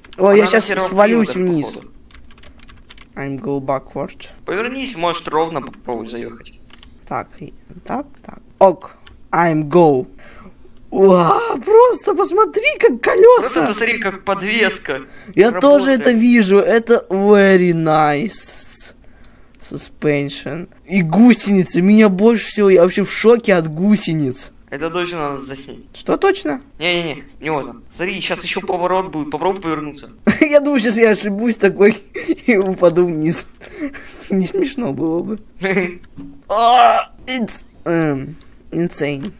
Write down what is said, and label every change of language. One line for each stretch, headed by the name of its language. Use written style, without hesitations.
Russian: О, я сейчас свалюсь вниз.
English: I'm go backward.
Russian: Повернись, может ровно попробовать заехать.
English: Так. Ок, I'm go.
Russian: Уа, просто посмотри, как колеса! Просто посмотри, как подвеска. Я работает. Тоже это вижу.
English: Это very nice suspension.
Russian: И гусеницы. Меня больше всего. Я вообще в шоке от гусениц. Это точно надо заснять. Что точно? Не-не-не, не важно. Смотри, сейчас еще поворот будет. Попробуй повернуться. Я думаю, сейчас я ошибусь такой и упаду вниз. Не смешно было бы.
English: It's. Insane.